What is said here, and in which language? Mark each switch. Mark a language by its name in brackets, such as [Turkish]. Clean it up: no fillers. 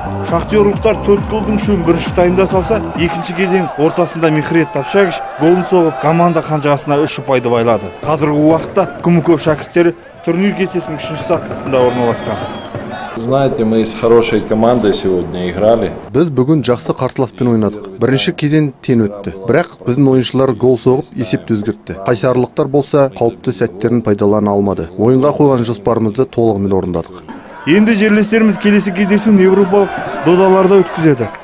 [Kazakh] Шахтерлықтар 4 голдың үшін бірінші таймда салса, екінші кезең ортасында Михрет Тапчагич голын соғып, команда қанжығасына 3 ұпайды байлады. Қазіргі уақытта Күмікөп шәкірттері турнир кестесінің 3-ші сатысында орналасқан. [Russian] Знаете, мы с хорошей командой сегодня играли. [Kazakh] Біз бүгін жақсы қарсыласпен ойнадық. Бірінші кезең тен өтті. Бірақ біздің ойыншылар гол соғып, есепті өзгертті. Қайсарлықтар болса, қауіпті сәттерін пайдалана алмады. Ойынға қойған жоспарымызды толығымен орындадық. Енді жерлестеріміз келесі кездесуін еуропалық додаларда өткізеді.